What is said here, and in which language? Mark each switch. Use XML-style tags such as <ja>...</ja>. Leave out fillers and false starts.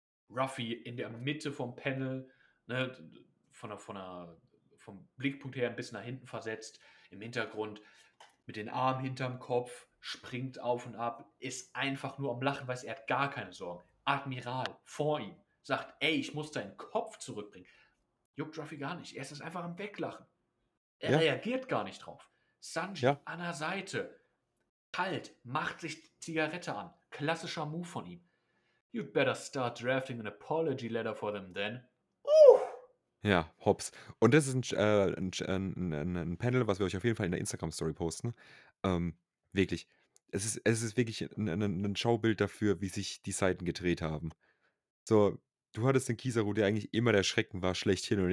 <de>Ruffy in der Mitte vom Panel, ne, vom Blickpunkt her ein bisschen nach hinten versetzt, im Hintergrund mit den Armen hinterm Kopf, springt auf und ab, ist einfach nur am Lachen, weiß, er hat gar keine Sorgen. Admiral vor ihm sagt, ey, ich muss deinen Kopf zurückbringen. Juckt Ruffy gar nicht, er ist es einfach am Weglachen. Er reagiert gar nicht drauf. Sanji an der Seite, kalt, macht sich Zigarette an. Klassischer Move von ihm.</de> <en>You'd better start drafting an apology letter for them then.</en> <de>Ja, hops. Und das ist ein Panel, was wir euch auf jeden Fall in der Instagram-Story posten. Wirklich. Es ist wirklich ein Schaubild dafür, wie sich die Seiten gedreht haben. So, du hattest den Kizaru, der eigentlich immer der Schrecken war, schlechthin.</de>